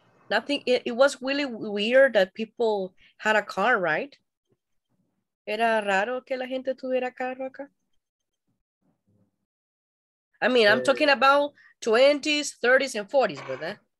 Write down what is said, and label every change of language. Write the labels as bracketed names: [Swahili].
[English] Nothing, it was really weird that people had a car, right? [Spanish] ¿Era raro que la gente tuviera carro acá? [English] I mean, I'm talking about 20s, 30s, and 40s, ¿verdad?